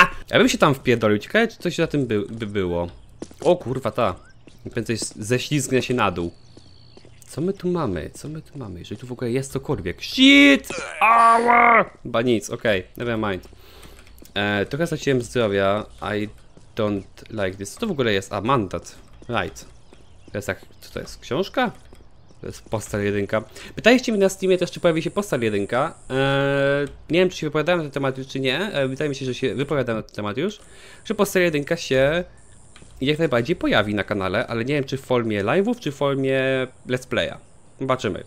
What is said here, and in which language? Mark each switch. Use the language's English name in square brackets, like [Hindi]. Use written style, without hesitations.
[Polish] Ja bym się tam wpierdolił. Ciekawe, czy coś za tym by było. O, kurwa, ta. Prędzej ześlizgnę się na dół. Co my tu mamy? Co my tu mamy? Jeżeli tu w ogóle jest cokolwiek. [English] Shit! [Polish] Ała! Chyba nic, okej, [English] okay. Never mind. [Polish] Trochę straciłem zdrowia. [English] I don't like this. [Polish] Co to w ogóle jest? A, mandat. [English] Right. [Polish] To jest jak, co to jest? Książka? To jest postal jedynka. Pytaliście mnie na Steamie też, czy pojawi się postal jedynka. Nie wiem, czy się wypowiadałem na ten temat już, czy nie. Wydaje mi się, że się wypowiadałem na ten temat już. Że postal jedynka się jak najbardziej pojawi na kanale, ale nie wiem, czy w formie live'ów, czy w formie let's play'a. Zobaczymy.